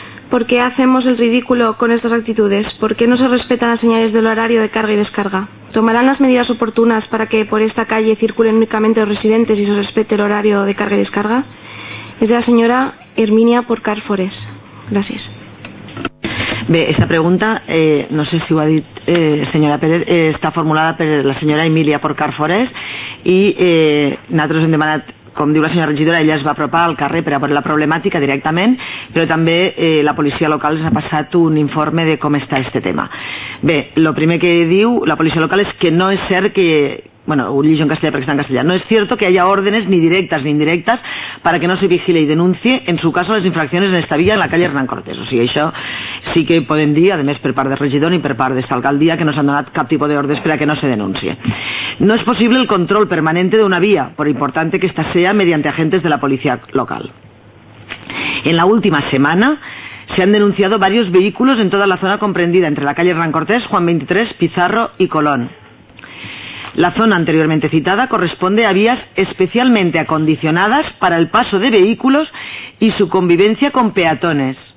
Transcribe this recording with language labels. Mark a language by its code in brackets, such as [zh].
[es] ¿Por qué hacemos el ridículo con estas actitudes? ¿Por qué no se respetan las señales del horario de carga y descarga? ¿Tomarán las medidas oportunas para que por esta calle circulen únicamente los residentes y se respete el horario de carga y descarga? Es de la señora Herminia por Carfores. Gracias. [ca] Bé, aquesta pregunta, no sé si ho ha dit senyora Pérez, està formulada per la senyora Emília Porcar Forés, i nosaltres hem demanat, com diu la senyora regidora, ella es va apropar al carrer per a veure la problemàtica directament, però també la policia local ens ha passat un informe de com està aquest tema. Bé, el primer que diu la policia local és que no és cert que... bueno, ho llegeixo en castellà perquè està en castellà. No és [es] cierto que haya órdenes ni directas ni indirectas para que no se vigile y denuncie en su caso las infracciones en esta vía en la calle Hernán Cortés. [ca] O sigui, això sí que podem dir, a més per part del regidor ni per part d'esta alcaldia, que no s'han donat cap tipus d'ordres per a que no se denuncie. No és possible [es] el control permanente de una vía, por importante que esta sea, mediante agentes de la policía local. En la última semana se han denunciado varios vehículos en toda la zona comprendida entre la calle Hernán Cortés, Juan 23, Pizarro y Colón. La zona anteriormente citada corresponde a vías especialmente acondicionadas para el paso de vehículos y su convivencia con peatones.